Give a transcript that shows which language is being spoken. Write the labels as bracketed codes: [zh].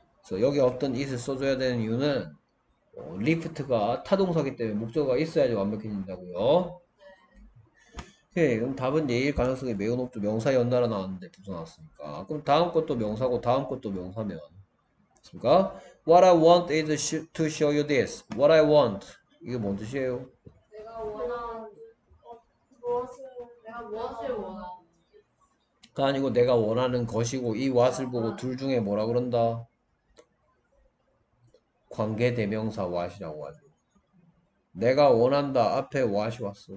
[ko] 그래서 여기 없던 it 써줘야 되는 이유는 lift가 타동사기 때문에 목적어가 있어야지 완벽해진다고요. 오케이. 그럼 답은 예일 가능성이 매우 높죠. 명사 연달아 나왔는데 부서놨으니까. 그럼 다음 것도 명사고 다음 것도 명사면. 됐습니까? [en] What I want is to show you this. What I want. [ko] 이게 뭔 뜻이에요? 내가 원하는 무엇을 원하는 그 아니고 내가 원하는 것이고 이 what을 보고 둘 중에 뭐라 그런다? 관계 대명사 what이라고 하죠. 내가 원한다 앞에 what이 왔어.